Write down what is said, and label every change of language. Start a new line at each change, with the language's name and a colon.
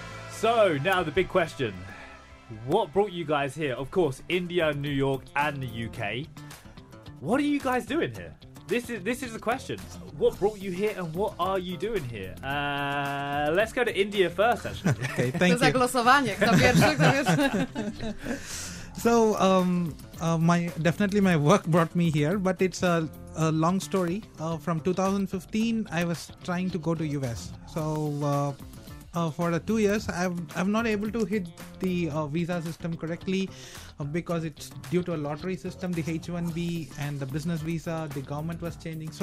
English: So now the big question, what brought you guys here? Of course, India, New York and the UK. What are you guys doing here? This is the question. What brought you here and what are you doing here? Let's go to India first, actually. Okay, thank you.
Polish: Zagłosowanie, kto pierwszy, kto pierwszy.
English: So, my work brought me here, but it's a long story. From 2015, I was trying to go to US. So, for the 2 years, I'm not able to hit the visa system correctly because it's due to a lottery system, the H-1B and the business visa, the government was changing.